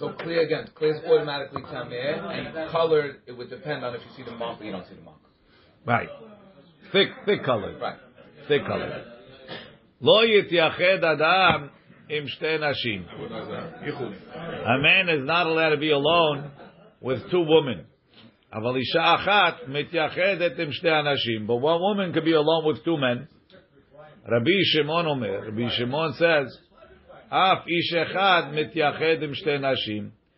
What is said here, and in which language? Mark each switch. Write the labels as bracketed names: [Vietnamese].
[English] So clear again, clear is automatically tamir, and color, it would depend on if you see the mark or you don't see the mark. Right. Thick color. Right. Thick color. [Hebrew] Lo yityached adam im shtei nashim. [English] A man is not allowed to be alone with two women. [Hebrew] אבל אישה אחת מתייחדת עם שתי אנשים. [English] But one woman could be alone with two men. [Hebrew] רבי שמעון אומר, רבי שמעון says, אף איש אחד מתייחד עם שתי נשים.